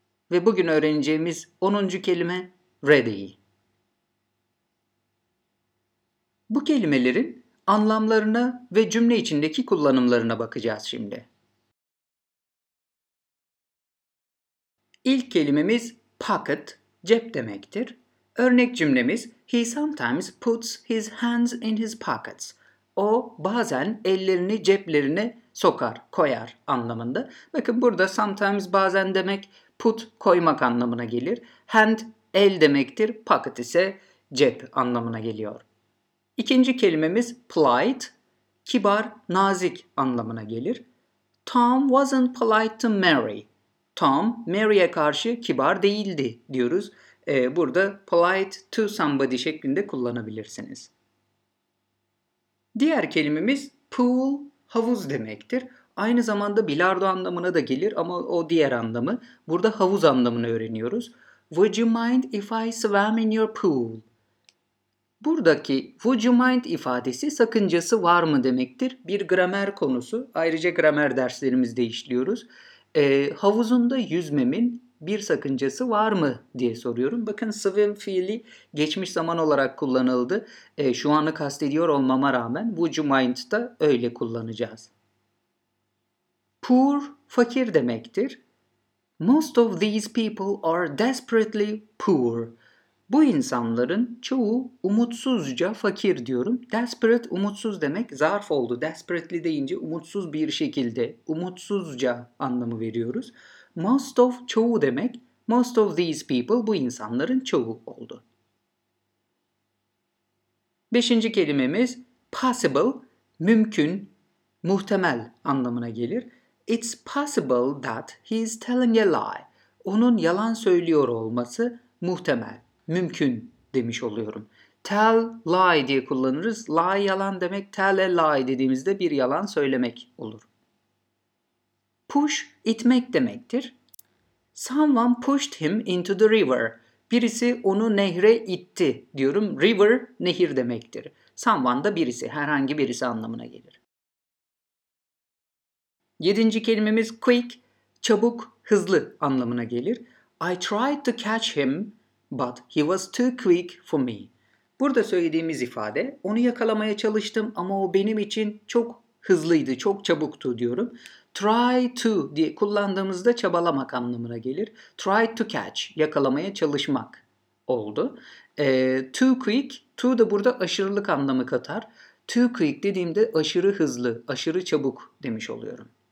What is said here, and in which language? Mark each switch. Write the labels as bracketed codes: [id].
[tr] Ve bugün öğreneceğimiz onuncu kelime ready. Bu kelimelerin anlamlarına ve cümle içindeki kullanımlarına bakacağız şimdi. İlk kelimemiz pocket, cep demektir. Örnek cümlemiz, [en] he sometimes puts his hands in his pockets. [tr] O bazen ellerini ceplerine sokar, koyar anlamında. Bakın burada sometimes bazen demek put koymak anlamına gelir. Hand el demektir, pocket ise cep anlamına geliyor. İkinci kelimemiz polite, kibar, nazik anlamına gelir. [en] Tom wasn't polite to Mary. [tr] Tom, Mary'e karşı kibar değildi diyoruz. Burada [en] polite to somebody [tr] şeklinde kullanabilirsiniz. Diğer kelimemiz pool, havuz demektir. Aynı zamanda bilardo anlamına da gelir ama o diğer anlamı. Burada havuz anlamını öğreniyoruz. [en] Would you mind if I swam in your pool? [tr] Buradaki [en] would you mind [tr] ifadesi sakıncası var mı demektir. Bir gramer konusu. Ayrıca gramer derslerimizde işliyoruz. Havuzunda yüzmemin bir sakıncası var mı diye soruyorum. Bakın swim fiili geçmiş zaman olarak kullanıldı. Şu anı kastediyor olmama rağmen [en] would you mind [tr] da öyle kullanacağız. Poor, fakir demektir. [en] Most of these people are desperately poor. [tr] Bu insanların çoğu umutsuzca fakir diyorum. Desperate, umutsuz demek zarf oldu. Desperately deyince umutsuz bir şekilde, umutsuzca anlamı veriyoruz. Most of, çoğu demek. [en] Most of these people, [tr] bu insanların çoğu oldu. Beşinci kelimemiz possible, mümkün, muhtemel anlamına gelir. [en] It's possible that he's telling a lie. [tr] Onun yalan söylüyor olması muhtemel. Mümkün demiş oluyorum. Tell, lie diye kullanırız. Lie yalan demek, [en] tell a lie [tr] dediğimizde bir yalan söylemek olur. Push, itmek demektir. [en] Someone pushed him into the river. [tr] Birisi onu nehre itti diyorum. River, nehir demektir. Someone da birisi, herhangi birisi anlamına gelir. Yedinci kelimemiz quick, çabuk, hızlı anlamına gelir. [en] I tried to catch him. But he was too quick for me. [tr] Burada söylediğimiz ifade, onu yakalamaya çalıştım ama o benim için çok hızlıydı, çok çabuktu diyorum. [en] Try to [tr] diye kullandığımızda çabalamak anlamına gelir. [en] Try to catch, [tr] yakalamaya çalışmak oldu. [en] Too quick, [tr] to da burada aşırılık anlamı katar. Too quick dediğimde aşırı hızlı, aşırı çabuk demiş oluyorum.